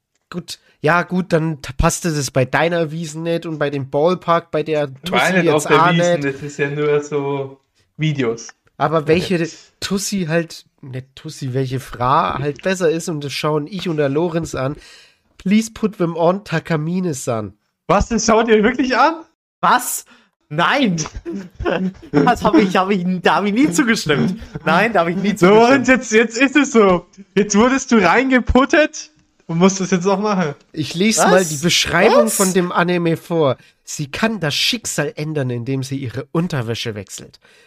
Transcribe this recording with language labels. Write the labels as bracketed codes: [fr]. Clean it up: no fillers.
[de] Gut, dann passt das bei deiner Wiesn nicht und bei dem Ballpark, bei der Tussi jetzt auch nicht. Nein, das ist ja nur so Videos. Aber welche Tussi halt, nicht Tussi, welche Fra halt besser ist, und das schauen ich und der Lorenz an. [en] Please put them on Takamine-san. [de] Was, das schaut ihr wirklich an? Was? Nein! Das hab ich nie zugestimmt. Nein, da habe ich nie zugestimmt. Lorenz, jetzt ist es so. Jetzt wurdest du reingeputtet und musst das jetzt auch machen. Ich lese mal die Beschreibung von dem Anime vor. Sie kann das Schicksal ändern, indem sie ihre Unterwäsche wechselt.